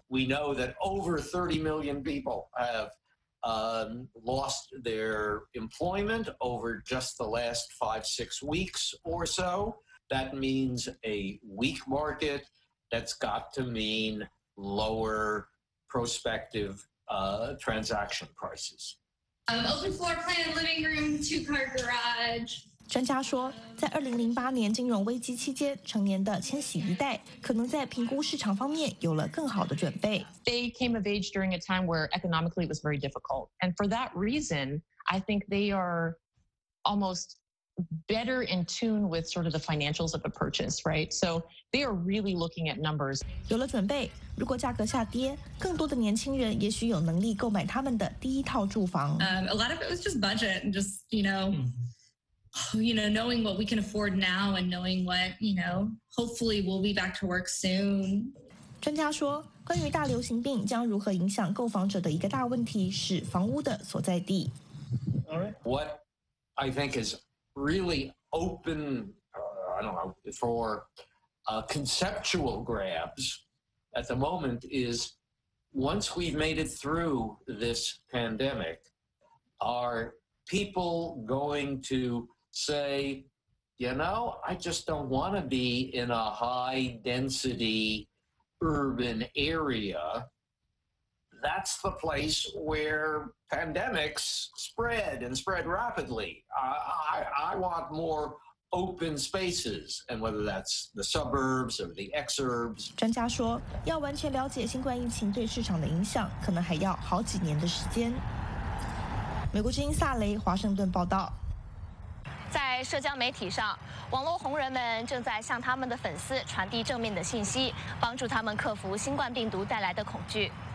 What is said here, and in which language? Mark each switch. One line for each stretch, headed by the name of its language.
English: We know that over 30 million people have lost their employment over just the last 5-6 weeks or so. That means a weak market. That's got to mean lower prospective transaction prices. Open floor plan, living room, two-car garage.
Chinese: 专家说，在2008年金融危机期间，成年的千禧一代可能在评估市场方面有了更好的准备。
English: They came of age during a time where economically it was very difficult. And for that reason, I think they are almost better in tune with sort of the financials of a purchase, right? So they are really looking at numbers.
Chinese: 有了准备，如果价格下跌，更多的年轻人也许有能力购买他们的第一套住房。
English: A lot of it was just budget and just, you know, knowing what we can afford now and knowing what, you know, hopefully we'll be back to work soon.
Chinese: 专家说，关于大流行病将如何影响购房者的一个大问题是房屋的所在地。
English: What I think is really open, I don't know, for conceptual grabs at the moment is once we've made it through this pandemic, are people going to say, you know, I just don't want to be in a high density urban area. That's the place where pandemics spread and spread rapidly. I want more open spaces, and whether that's the suburbs or the exurbs.
Chinese: 专家说，要完全了解新冠疫情对市场的影响，可能还要好几年的时间。美国之音萨雷，华盛顿报道。在社交媒体上，网络红人们正在向他们的粉丝传递正面的信息，帮助他们克服新冠病毒带来的恐惧。